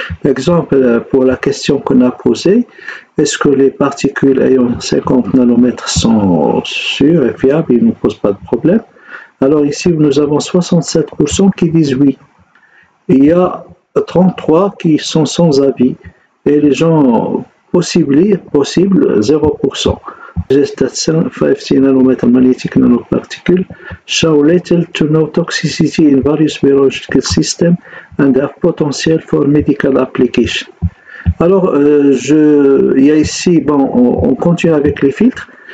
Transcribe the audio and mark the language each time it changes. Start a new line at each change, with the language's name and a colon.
French: Par exemple, pour la question qu'on a posée, est-ce que les particules ayant 50 nanomètres sont sûres et fiables, ils ne posent pas de problème? Alors ici, nous avons 67% qui disent oui. Il y a 33 qui sont sans avis et les gens possibles 0%.
English: Just that 50 nanometer magnetic nanoparticles show little to no toxicity in various biological systems and have potential for medical application.
French: Alors, il y a ici, on continue avec les filtres.